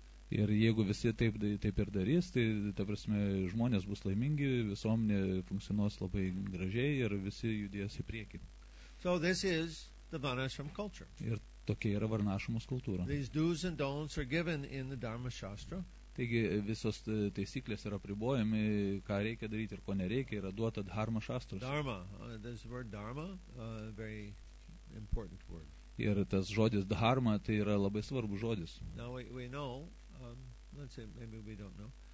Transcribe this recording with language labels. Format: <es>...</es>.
<lt>Ir jeigu visi taip ir darys, tai ta prasme, žmonės bus laimingi, visuomenė funkcionuos labai gražiai ir visi judės į priekį.</lt> <en>So this is the Varnashram culture.</en> <lt>Ir tokia yra Varnashramos kultūra.</lt> <en>These do's and don'ts are given in the Dharma Shastra.</en> <lt>Taigi visos taisyklės yra apribojami, ką reikia daryti ir ko nereikia, yra duota Dharma Shastras.</lt> <en>Dharma, this word Dharma, very important word.</en> <lt>Ir tas žodis Dharma, tai yra labai svarbus žodis.</lt> <en>Now we know, let's say maybe we don't know.</en>